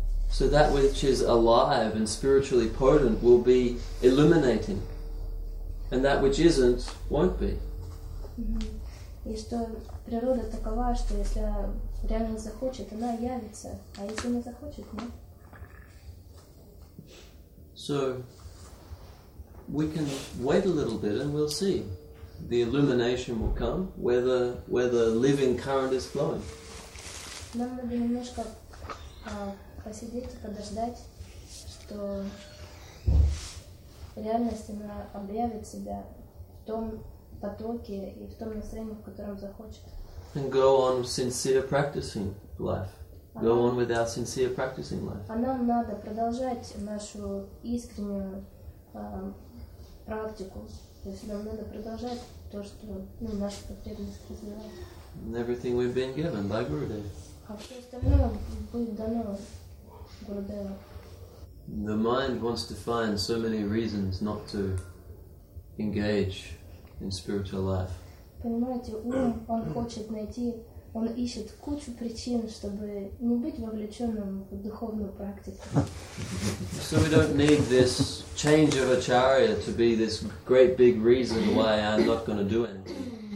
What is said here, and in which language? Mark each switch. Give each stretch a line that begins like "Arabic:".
English: So that which is alive and spiritually potent will be illuminating, and that which isn't won't be.
Russian: И что природа такова, что если реально захочет, она явится, а если не захочет, нет.
English: So we can wait a little bit, and we'll see. The illumination will come where the living current is flowing.
Russian: Нам надо немножко посидеть и подождать, что реальность она объявит себя в том потоке и в том настроении, в котором захочет.
English: And go on sincere practicing life. Go on with our sincere practicing life.
Russian: А нам надо продолжать нашу искреннюю практику. То есть нам надо продолжать то, что ну, наша потребность развивается.
English: Everything we've been given by Gurudev. The mind wants to find so many reasons not to engage in spiritual life.
Russian: Понимаете, ум он хочет найти, он ищет кучу причин, чтобы не быть вовлеченным в духовную практику.
English: So we don't need this change of acharya to be this great big reason why I'm not going to do anything.